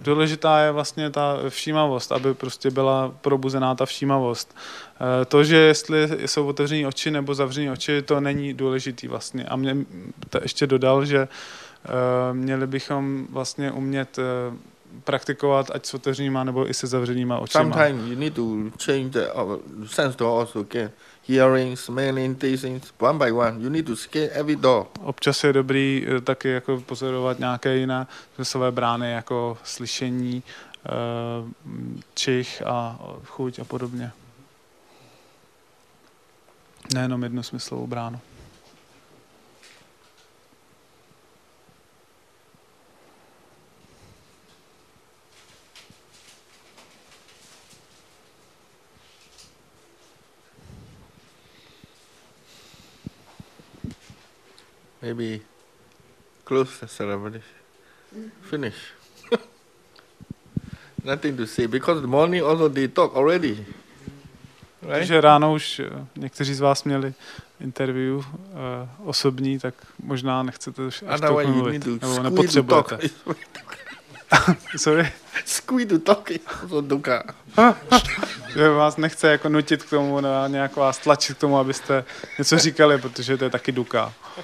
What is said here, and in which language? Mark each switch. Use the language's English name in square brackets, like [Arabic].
[Czech] Důležitá je vlastně ta všímavost, aby prostě byla probuzená ta všímavost. To, že jestli jsou otevřené oči nebo zavřené oči, to není důležitý vlastně. A mě to ještě dodal, že měli bychom vlastně umět praktikovat ať s otevřenýma nebo i se zavřenýma očima. [English] Sometimes you need to change the sense door also, okay? Hearing, smelling, tasting, one by one. You need to scan every door. [Czech] Občas je dobrý taky jako pozorovat nějaké jiné smyslové brány, jako slyšení, čich a chuť a podobně. Nejenom jednu smyslovou bránu. [English] Maybe close the ceremony, finish. Nothing to say, because the morning also they talk already. Right? [Czech] Takže ráno už někteří z vás měli interview osobní, tak možná nechcete až to mluvit. [English] Otherwise you need to squeeze to talk. Sorry? Squeeze to talk also do car. [Czech] Že vás nechce jako nutit k tomu, nějak vás tlačit k tomu, abyste něco říkali, protože to je taky duka.